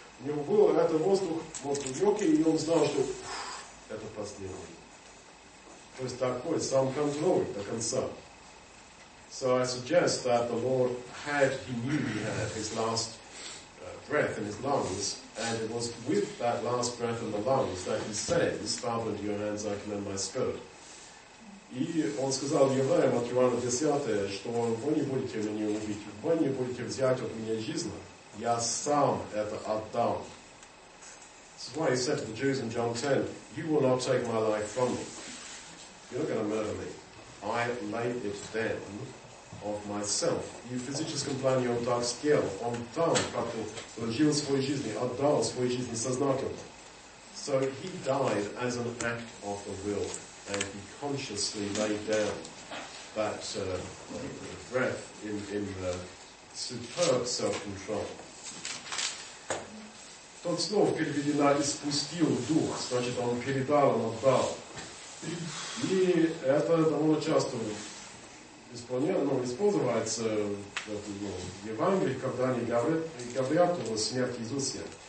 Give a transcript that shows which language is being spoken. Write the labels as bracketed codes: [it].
[ru] У него был этот воздух, вот в легкие, и он знал, что это последний. То есть такой сам контроль до конца. [en] So I suggest that the Lord had, he knew he had his last breath in his lungs, and it was with that last breath in the lungs that he said, his Father, into your hands I commend my spirit. [ru] И он сказал евреям от Иоанна 10, что вы не будете меня убить, вы не будете взять от меня жизнь. Я сам это отдам. [en] This is why he said to the Jews in John 10, you will not take my life from me. You're not going to murder me. I laid it down of myself. [ru] И физическом плане он так сделал. Он там как-то прожил свою жизнь, отдал свою жизнь сознательно. [en] So he died as an act of the will. And he consciously laid down that breath in the superb self-control. [ru] Тот слов переведена «испустил дух», значит, он передал, он отдал. И это довольно часто используется в Евангелии, когда они говорят о смерти Иисуса.